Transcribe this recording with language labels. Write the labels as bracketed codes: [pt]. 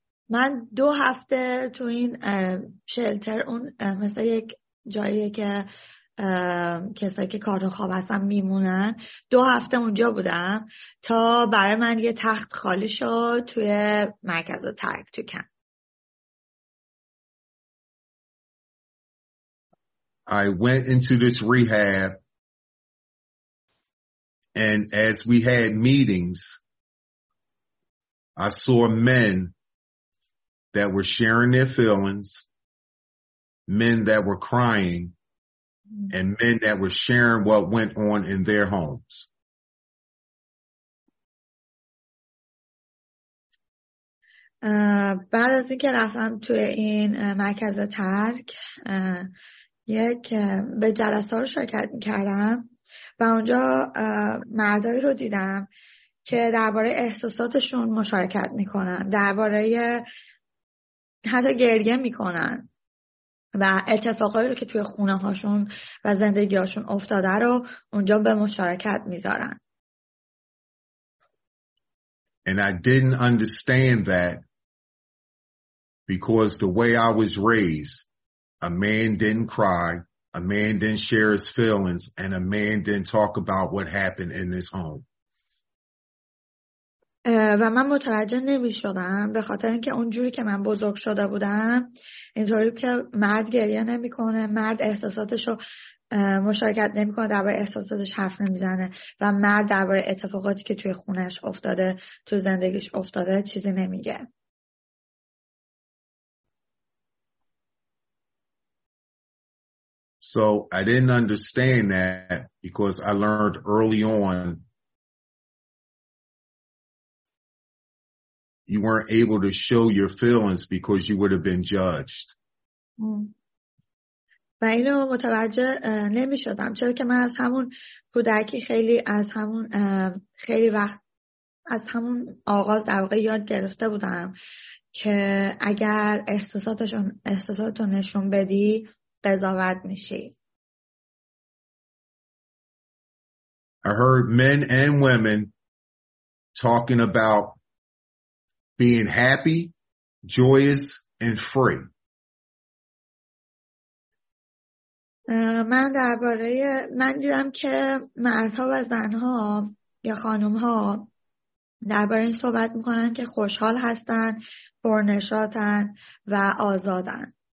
[fa] من 2 هفته تو این شلتر اون مثلا یک جاییه که کسایی که کارت خواب هستن میمونن 2 هفته اونجا بودم تا برای من یه تخت خالی شد توی مرکز ترک تو کمپ. [en] I went into this rehab and as we had meetings I saw men that were sharing their feelings, men that were crying, and men that were sharing what went on in their homes. [fa] بعد از اینکه رفتم توی این مرکز ترک یک به جلسات رو شرکت می‌کردم و اونجا مردایی رو دیدم که درباره احساساتشون مشارکت میکنن، درباره حتی گریه میکنن و اتفاقایی رو که توی خونه هاشون و زندگی هاشون افتاده رو اونجا به مشارکت میذارن. [en] And I didn't understand that because the way I was raised, a man didn't cry, a man didn't share his feelings, and a man didn't talk about what happened in this home. [fa] و من متوجه نمی شدم به خاطر اینکه اونجوری که من بزرگ شده بودم اینطوری که مرد گریه نمی کنه، مرد احساساتشو مشارکت نمی کنه، درباره احساساتش حرف نمی زنه و مرد درباره اتفاقاتی که توی خونش افتاده، تو زندگیش افتاده چیزی نمیگه. [en] So I didn't understand that because I learned early on you weren't able to show your feelings because you would have been judged. [fa] و اینو متوجه نمی‌شدم چرا که من از همون کودکی خیلی از همون خیلی وقت از همون آغاز در واقع یاد گرفته بودم که اگر احساساتتو نشون بدی قضاوت میشی. [en] I heard men and women talking about being happy, joyous, and free. [fa] من درباره من دیدم که مردها و زنها یا خانمها درباره این صحبت میکنن که خوشحال هستن، پرنشاطن و آزادن.